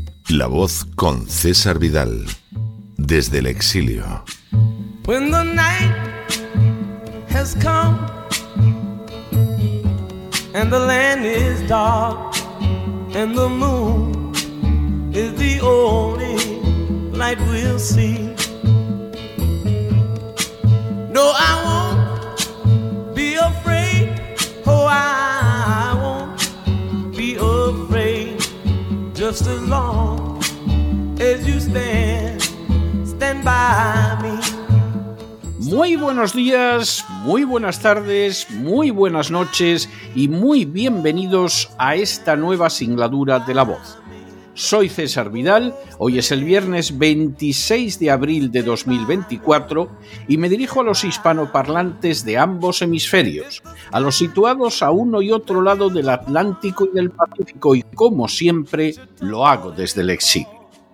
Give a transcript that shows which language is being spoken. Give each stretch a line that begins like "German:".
Spanish: La voz con César Vidal, desde el exilio.
English: When the night has come and the land is dark and the moon is the only light we'll see. No, I won't be afraid. Oh, I won't be afraid. Just as long as you stand by me.
Spanish: Muy buenos días, muy buenas tardes, muy buenas noches y muy bienvenidos a esta nueva singladura de La Voz. Soy César Vidal, hoy es el viernes 26 de abril de 2024 y me dirijo a los hispanoparlantes de ambos hemisferios, a los situados a uno y otro lado del Atlántico y del Pacífico y, como siempre, lo hago desde el exilio.